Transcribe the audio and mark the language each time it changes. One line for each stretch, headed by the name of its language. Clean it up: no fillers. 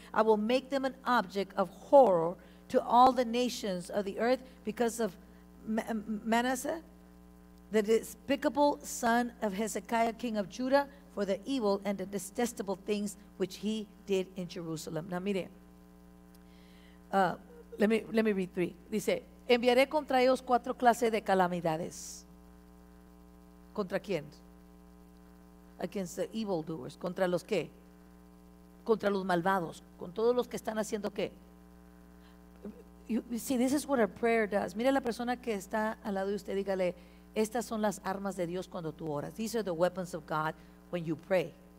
English: I will make them an object of horror to all the nations of the earth because of Manasseh, the despicable son of Hezekiah, king of Judah, for the evil and the detestable things which he did in Jerusalem. Now,
Spanish: mire,
English: let me read 3.
Spanish: Dice, enviaré contra ellos cuatro clases de calamidades. ¿Contra quién?
English: Against the evildoers.
Spanish: ¿Contra los qué? Contra los malvados. ¿Con todos los que están haciendo qué?
English: See, this is what a prayer does.
Spanish: Mire a la persona que está al lado de usted, dígale, estas son las armas de Dios cuando tú oras.
English: These are the weapons of God when you pray.